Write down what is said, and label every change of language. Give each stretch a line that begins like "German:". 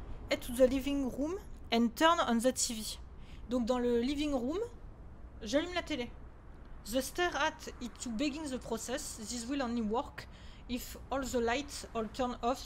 English: Head to the living room and turn on the TV.
French: Donc dans le living room, j'allume la télé.
English: The stare at it to begin the process. This will only work if all the lights are turned off.